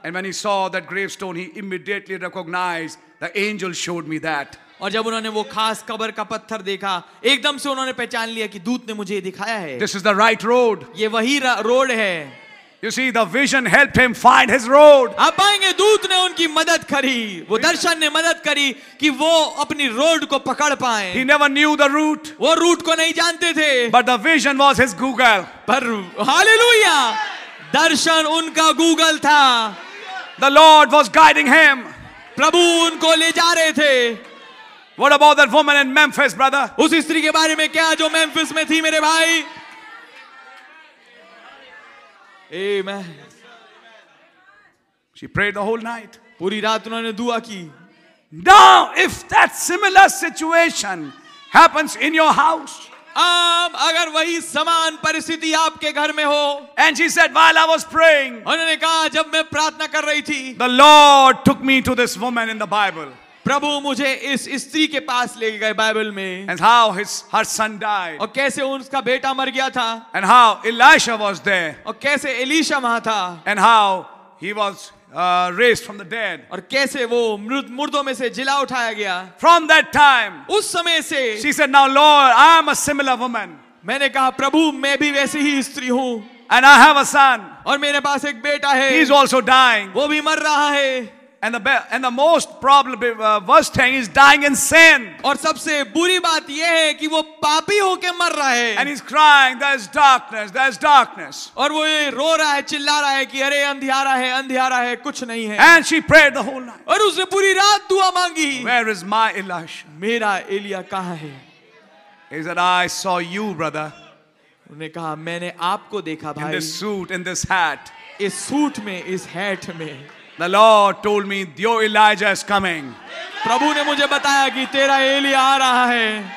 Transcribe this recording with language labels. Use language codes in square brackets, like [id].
[en] And when he saw that gravestone, he immediately recognized the angel showed me that. [hi] और जब उन्होंने वो खास कब्र का पत्थर देखा, एकदम से उन्होंने पहचान लिया कि दूत ने मुझे ये दिखाया है. [en] This is the right road. [hi] ये वही रोड है. [en] You see, the vision helped him find his road. [hi] आप पाएंगे दूत ने उनकी मदद करी, वो दर्शन ने मदद करी कि वो अपनी रोड को पकड़ पाएं. [en] He never knew the route. [hi] वो रूट को नहीं जानते थे. [en] But the vision was his Google. [hi] पर हालेलुया, दर्शन उनका गूगल था. [en] The Lord was guiding him. [hi] प्रभु उनको ले जा रहे थे. [en] What about that woman in Memphis, brother? [hi] उस स्त्री के बारे में क्या जो मेम्फिस में थी मेरे भाई? [en] Amen. She prayed the whole night. [hi] पूरी रात उन्होंने दुआ की. [en] Now, if that similar situation happens in your house, [hi] अगर वही समान परिस्थिति आपके घर में हो, [en] and she said, while I was praying, [hi] उन्होंने कहा जब मैं प्रार्थना कर रही थी, [en] the Lord took me to this woman in the Bible. [hi] प्रभु मुझे इस स्त्री के पास ले गए बाइबल में. [en] And how his her son died. [hi] और कैसे उसका बेटा मर गया था. [en] And how Elisha was there. [hi] और कैसे एलिशा वहां था. [en] And how he was raised from the dead. [hi] और कैसे वो मुर्दों में से जिला उठाया गया. [en] From that time. [hi] उस समय से. [en] She said, now Lord, I am a similar woman. [hi] मैंने कहा प्रभु मैं भी वैसी ही स्त्री हूँ. [en] And I have a son. [hi] और मेरे पास एक बेटा है. [en] He is also dying. [hi] वो भी मर रहा है. [en] And the most problem, worst thing is dying in sin. [hi] और सबसे बुरी बात ये है कि वो पापी होके मर रहा है. [en] And he's crying, there's darkness, there's darkness. [hi] और वो ये रो रहा है, चिल्ला रहा है कि अरे अंधियारा है, कुछ नहीं है. [en] And she prayed the whole night. [hi] और उसने पूरी रात दुआ मांगी. [en] Where is my Elisha? [hi] मेरा एलिया कहाँ है? [en] He said, I saw you, brother. [hi] उन्हें कहा मैंने आपको देखा भाई. [en] In this suit, in this hat. [hi] इस सूट में, इस हैट में. [en] The Lord told me, your Elijah is coming. [hi] प्रभु ने मुझे बताया कि तेरा एलिया आ रहा है.